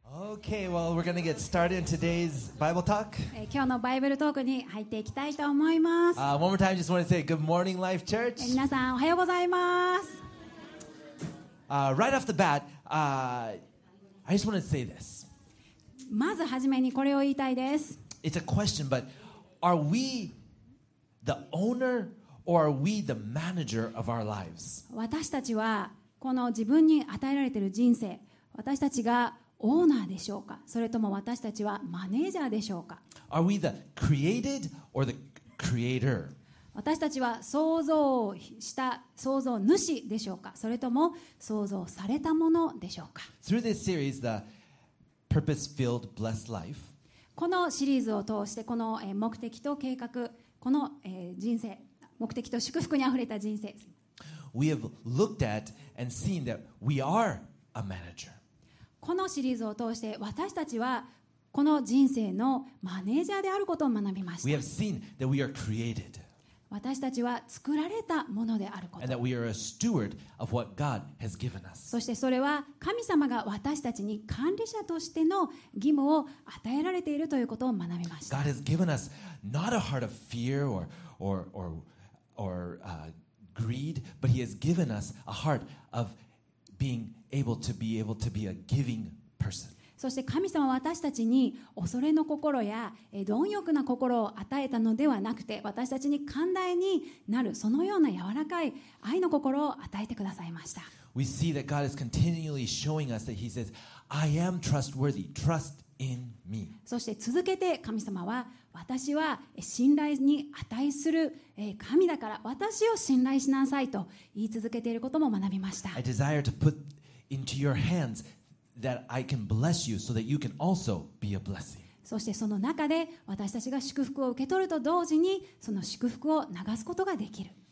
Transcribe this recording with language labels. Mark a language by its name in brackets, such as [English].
[English] Okay, well, we're going to get started in today's Bible talk. [Japanese] 今日のバイブルトークに入っていきたいと思います。 [English] One more time, just want to say good morning, Life Church. [Japanese] 皆さん、おはようございます。 [English] Right off the bat, I just want to say this. [Japanese] まずはじめにこれを言いたいです。 [English] It's a question, but are we the owner or are we the manager of our lives? [Japanese] 私たちはこの自分に与えられている人生、私たちがオーナーでしょうか、それとも私たちはマネージャーでしょうか。 [English] Are we the created or the creator? [Japanese] 私たちは創造した創造主でしょうか、それとも創造されたものでしょうか。 [English] Through this series, the purpose-filled, blessed life. [Japanese] このシリーズを通して、この目的と計画、この人生、目的と祝福にあふれた人生。 [English] We have looked at and seen that we are a manager. [Japanese] このシリーズを通して私たちはこの人生のマネージャーであることを学びました。 [English] We have seen that we are created. [Japanese] 私たちは作られたものであること。 [English] And that we are a steward of what God has given us. [Japanese] そしてそれは神様が私たちに管理者としての義務を与えられているということを学びました。 [English] God has given us not a heart of fear or greed, but he has given us a heart of being able to be able to be a giving person. [Japanese] そして神様は私たちに恐れの心や貪欲な心を与えたのではなくて、私たちに寛大になるそのような柔らかい愛の心を与えてくださいました。 [English] We see that God is continually showing us that He says, "I am trustworthy. Trust in me." [Japanese] そして続けて神様は、私は信頼に値する神だから私を信頼しなさいと言い続けていることも学びました。 [English] I desire to put into your hands that I can bless you so that you can also be a blessing. [Japanese] そしてその中で私たちが祝福を受け取ると同時にその祝福を流すことができる。